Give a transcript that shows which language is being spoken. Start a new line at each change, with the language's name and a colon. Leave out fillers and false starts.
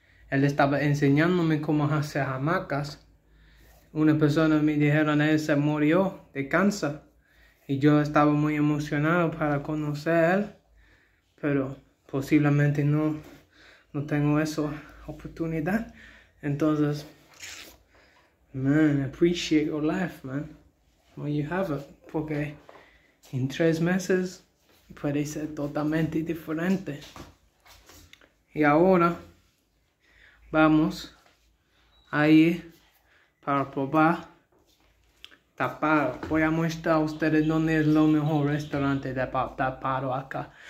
Spanish: Él estaba enseñándome cómo hacer hamacas. Una persona me dijeron, él se murió de cáncer. Y yo estaba muy emocionado para conocer a él. Pero posiblemente no tengo esa oportunidad.
English: Entonces, man, appreciate your life, man. When you have it.
Spanish: Porque en 3 meses puede ser totalmente diferente. Y ahora... vamos a ir para probar taparo. Voy a mostrar a ustedes dónde es lo mejor restaurante de taparo acá.